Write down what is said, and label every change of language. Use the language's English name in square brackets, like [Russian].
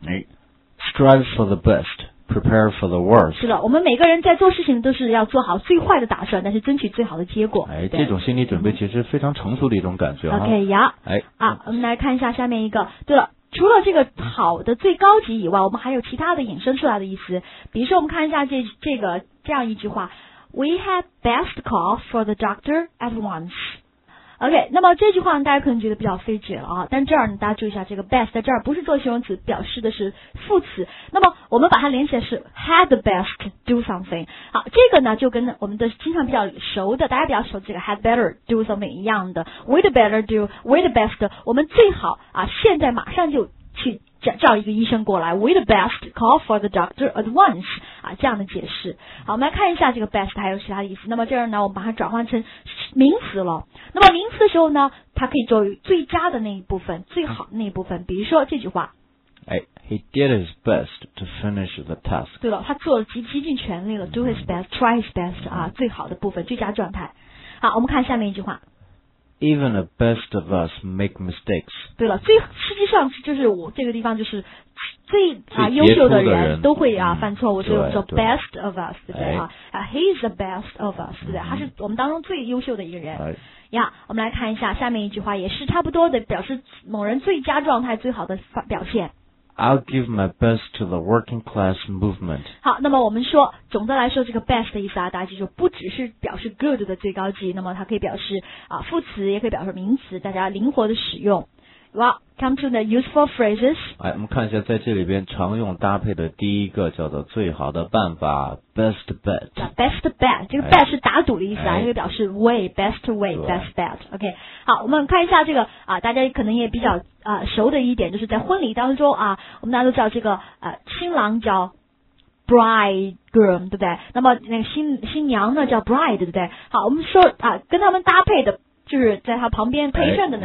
[English] 哎 ，strive for the best， prepare for the worst。 [Chinese] 是的，我们每个人在做事情都是要做好最坏的打算，但是争取最好的结果。哎，这种心理准备其实非常成熟的一种感觉哈。 [English] OK， 呀、yeah. ，哎， [Chinese] 啊，我们来看一下下面一个，对了。除了这个好的最高级以外，我们还有其他的引申出来的意思。比如说，我们看一下这个这样一句话 ： [English] We had best call for the doctor at once. [Chinese] OK， 那么这句话呢，大家可能觉得比较费解了啊。但这儿呢，大家注意一下，这个 best 在这儿不是做形容词，表示的是副词。那么我们把它连起来是 [English] had the best do something。 [Chinese] 好，这个呢就跟我们的经常比较熟的，大家比较熟的这个 [English] had better do something [Chinese] 一样的 ， [English] we the better do we the best， [Chinese] 我们最好啊，现在马上就去叫一个医生过来 ， [English] we the best call for the doctor at once [Chinese] 啊，这样的解释。好，我们来看一下这个 best 还有其他的意思。那么这儿呢，我们把它转换成名词了。那么名词的时候呢，它可以作为最佳的那一部分，最好的那一部分。比如说这句话。 [English] 哎 ，He did his best to finish the task。 [Chinese] 对了，他做了极尽全力了 ， [English] do his best， try his best [Chinese] 啊，最好的部分，最佳状态。好，我们看下面一句话。 [English] Even the best of us make mistakes。 [Chinese] 对了，最实际上就是我这个地方就是最优秀的人都会啊犯错误，就是 [English] the best of us， [Chinese] 对不对啊？啊 ， [English] He's the best of us， [Chinese] 对不对？他是我们当中最优秀的一个人。呀、yeah, ，我们来看一下下面一句话，也是差不多的，表示某人最佳状态、最好的表现。 [English] I'll give my best to the working class movement. [Chinese] 好，那么我们说，总的来说，这个 best 的意思啊，大家记住，不只是表示 good 的最高级，那么它可以表示啊副词，也可以表示名词，大家灵活的使用。 [English] Well, come to the useful phrases. [Chinese] 哎，我们看一下在这里边常用搭配的第一个叫做最好的办法 ， [English] best bet.、 Yeah, best bet， [Chinese] 这个 bet 是打赌的意思啊，也可以表示 way， [English] best way， [Chinese] best bet. OK， 好，我们看一下这个啊，大家可能也比较熟的一点，就是在婚礼当中啊，我们大家都知道这个新郎叫 bridegroom， 对不对？那么那个新娘呢叫 bride， 对不对？好，我们说啊，跟他们搭配的。就是在他旁边陪衬的那